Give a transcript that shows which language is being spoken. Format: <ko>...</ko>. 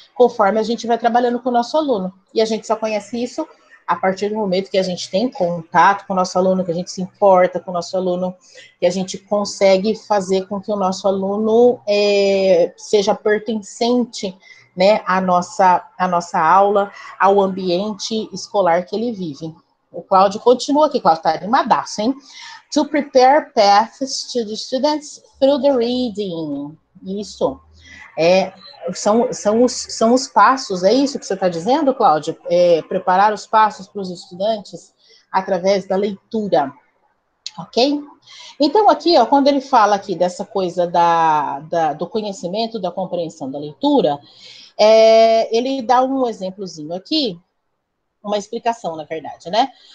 <pt>Conforme a gente vai trabalhando com o nosso aluno. E a gente só conhece isso a partir do momento que a gente tem contato com o nosso aluno, que a gente se importa com o nosso aluno, que a gente consegue fazer com que o nosso aluno seja pertencente, né, à nossa aula, ao ambiente escolar que ele vive. O Cláudio continua aqui, Cláudio está animadaço, hein?</pt> <en>To prepare paths to the students through the reading.</en> <pt>Isso. São os passos, é isso que você está dizendo, Cláudio? Preparar os passos para os estudantes através da leitura, ok? Então, aqui, ó, quando ele fala aqui dessa coisa do conhecimento, da compreensão da leitura, ele dá um exemplozinho aqui, uma explicação, na verdade, né?</pt>